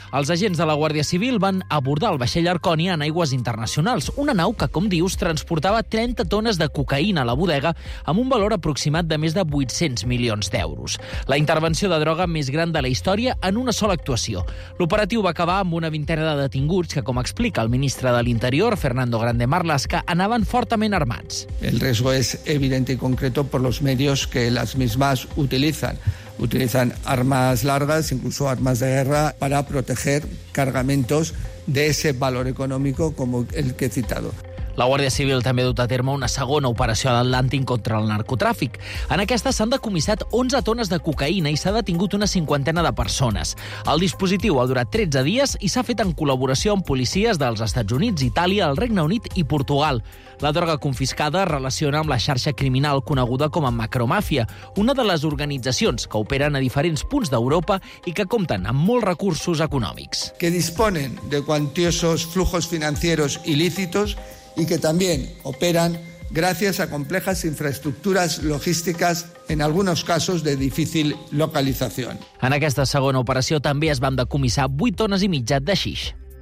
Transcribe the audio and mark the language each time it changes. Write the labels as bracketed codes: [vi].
[ca] Els agents de la Guàrdia Civil van abordar el vaixell Arconia en aigües internacionals, una nau que, com dius, transportava 30 tones de cocaïna a la bodega amb un valor aproximat de més de 800 milions d'euros. La intervenció de droga més gran de la història en una sola actuació. L'operatiu va acabar amb una vintena de detinguts que, com explica el ministre de l'Interior, Fernando Grande Marlaska, anaven fortament armats. [es] El riesgo es evidente y concreto por los medios que las mismas utilizan. Utilizan armas largas, incluso armas de guerra, para proteger cargamentos de ese valor económico como el que he citado. [ca] La Guàrdia Civil també ha dut a terme una segona operació a l'Atlàntic contra el narcotràfic. En aquesta s'han decomissat 11 tones de cocaïna i s'ha detingut una cinquantena de persones. El dispositiu ha durat 13 dies i s'ha fet en col·laboració amb policies dels Estats Units, Itàlia, el Regne Unit i Portugal. La droga confiscada es relaciona amb la xarxa criminal coneguda com a Macromàfia, una de les organitzacions que operen a diferents punts d'Europa i que compten amb molts recursos econòmics. [es] Que disponen de cuantiosos flujos financieros ilícitos y que también operan gracias a complejas infraestructuras logísticas, en algunos casos de difícil localización. [ca] En aquesta segona operació també es van decomissar 8 tones i mitja de xix.